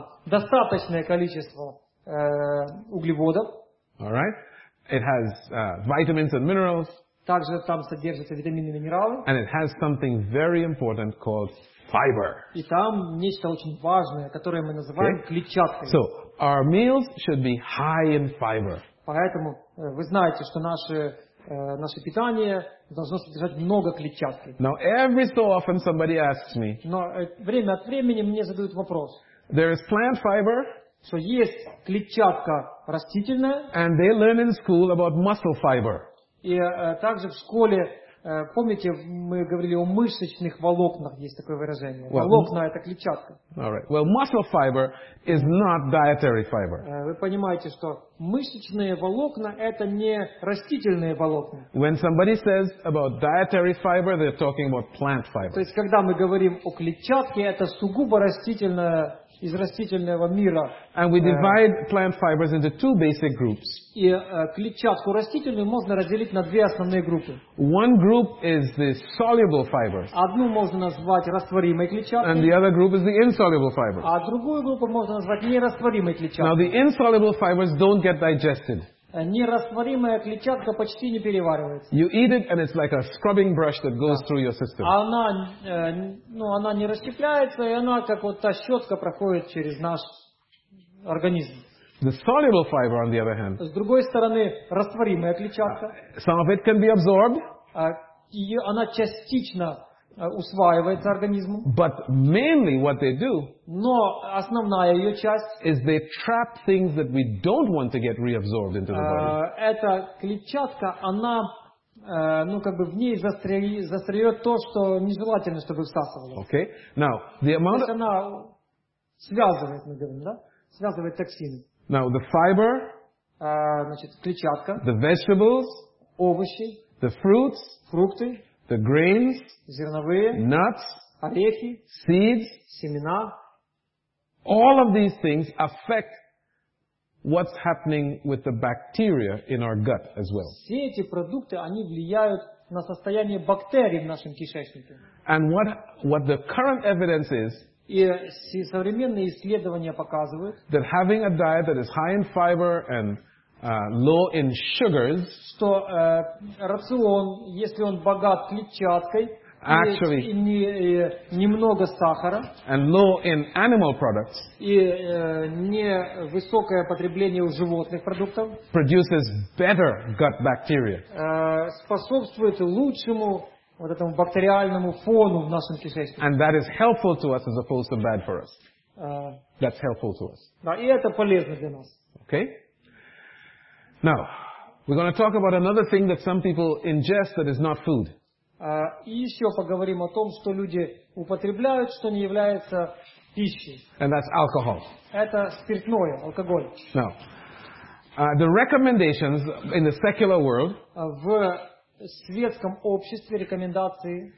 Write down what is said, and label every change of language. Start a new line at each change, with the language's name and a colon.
Russian: Достаточное количество углеводов.
English: All right. It has vitamins and minerals.
Russian: Также там содержатся витамины и минералы.
English: And it has something very important called fiber.
Russian: И там нечто очень важное, которое мы называем клетчаткой.
English: So our meals should be high in fiber.
Russian: Поэтому вы знаете, что наше питание должно содержать много клетчатки.
English: Now, every so often somebody asks me,
Russian: но время от времени мне задают вопрос.
English: There is plant fiber,
Russian: что есть клетчатка растительная.
English: And they learn in school about muscle fiber.
Russian: И также в школе, помните, мы говорили о мышечных волокнах, есть такое выражение. Well, волокна – это клетчатка.
English: All right. Well, muscle fiber is not dietary fiber.
Russian: Вы понимаете, что мышечные волокна – это не растительные волокна.
English: When somebody says about dietary fiber, they're talking about plant fiber.
Russian: То есть, когда мы говорим о клетчатке, это сугубо растительное, из растительного мира.
English: And we divide plant fibers into two basic groups.
Russian: И клетчатку растительную можно разделить на две основные группы.
English: One group is the soluble fibers.
Russian: Одну можно назвать растворимой клетчаткой.
English: And the other group is the insoluble fibers.
Russian: А другую группу можно назвать нерастворимой клетчаткой.
English: Now the insoluble fibers don't get digested.
Russian: Нерастворимая клетчатка почти не переваривается.
English: You eat it and it's like a scrubbing brush that goes through your system.
Russian: Она не расщепляется, и она как вот та щетка проходит через наш организм.
English: The soluble fiber, on the other hand.
Russian: С другой стороны, растворимая клетчатка.
English: Some of it can be absorbed.
Russian: Она частично усваивается организмом.
English: But mainly what they do.
Russian: Но основная ее часть.
English: Is they trap things that we don't want to get reabsorbed into the body.
Russian: Эта клетчатка, она, ну как бы в ней застряет то, что нежелательно, чтобы всасывалось.
English: Okay. Now the amount.
Russian: То есть она связывает, мы говорим, да? Связывает токсины.
English: Now the fiber.
Russian: Значит, клетчатка.
English: The vegetables.
Russian: Овощи.
English: The fruits.
Russian: Фрукты.
English: The grains,
Russian: зерновые,
English: nuts,
Russian: орехи,
English: seeds,
Russian: семена.
English: All of these things affect what's happening with the bacteria in our gut as well.
Russian: Все эти продукты, они влияют на состояние бактерий в нашем кишечнике.
English: And what the current evidence is,
Russian: и современные исследования показывают,
English: that having a diet that is high in fiber and low in sugars,
Russian: что рацион, если он богат клетчаткой
English: actually
Russian: немного сахара,
English: and low in animal products,
Russian: и невысокое потребление у животных продуктов,
English: produces better gut bacteria,
Russian: способствует лучшему вот этому бактериальному фону в нашем кишечнике.
English: And that is helpful to us as opposed to bad for us. That's helpful to us.
Russian: Да, и это полезно для нас.
English: Okay. Now, we're going to talk about another thing that some people ingest that is not food.
Russian: И еще поговорим о том, что люди употребляют, что не является пищей.
English: And that's alcohol.
Russian: Это спиртное, алкоголь.
English: Now, the recommendations in the secular world
Russian: в светском обществе рекомендации